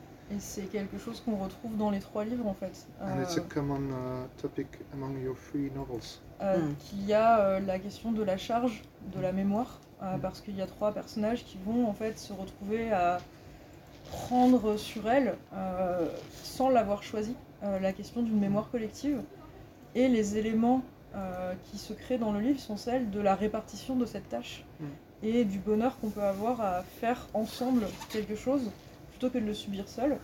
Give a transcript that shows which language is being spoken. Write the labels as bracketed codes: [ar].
[fr] Et c'est quelque chose qu'on retrouve dans les trois livres, en fait. [en] And it's a common topic among your three novels. [fr] Qu'il y a la question de la charge, de la mémoire, parce qu'il y a trois personnages qui vont, en fait, se retrouver à prendre sur elle, sans l'avoir choisi, la question d'une mémoire collective. Et les éléments qui se créent dans le livre sont celles de la répartition de cette tâche et du bonheur qu'on peut avoir à faire ensemble quelque chose plutôt que de le subir seul.